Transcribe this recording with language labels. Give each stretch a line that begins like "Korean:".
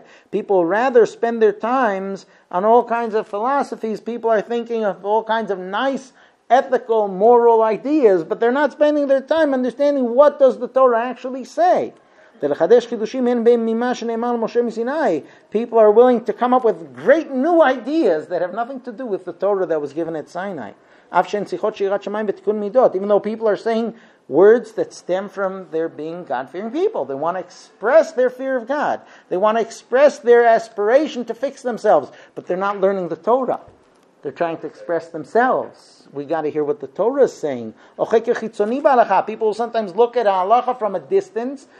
English: People rather spend their times on all kinds of philosophies. People are thinking of all kinds of nice, ethical, moral ideas, but they're not spending their time understanding what does the Torah actually say.
Hebrew: לחדש חידושים אין בהם ממה שנאמר למשה מסיני.
English: People are willing to come up with great new ideas that have nothing to do with the Torah that was given at Sinai.
Hebrew: אף שהן שיחות שירת שמיים ותיקון מידות.
English: Even though people are saying words that stem from their being God-fearing people. They want to express their fear of God. They want to express their aspiration to fix themselves. But they're not learning the Torah. They're trying to express themselves. We got to hear what the Torah is saying. People will sometimes look at halacha from a distance.